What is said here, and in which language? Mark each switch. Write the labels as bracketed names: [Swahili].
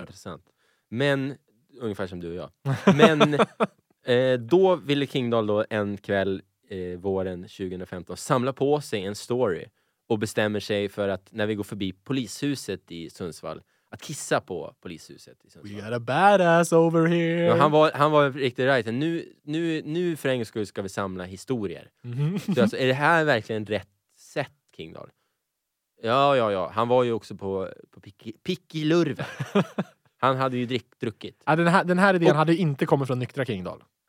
[Swedish] Intressant. Men, ungefär som du och jag. Men, då ville Kingdahl då en kväll våren 2015 samla på sig en story och bestämmer sig för att när vi går förbi polishuset i Sundsvall, att kissa på polishuset. [English] We got a badass over here. [Swedish] Ja, han var riktigt right. Nu för en gång skull ska vi samla historier. Mm-hmm. Så alltså, är det här verkligen rätt sätt, Kingdahl? Ja. Han var ju också på Pickilurven. Han hade ju druckit. Ja, den här idén hade inte kommit från nyktra Kingdahl.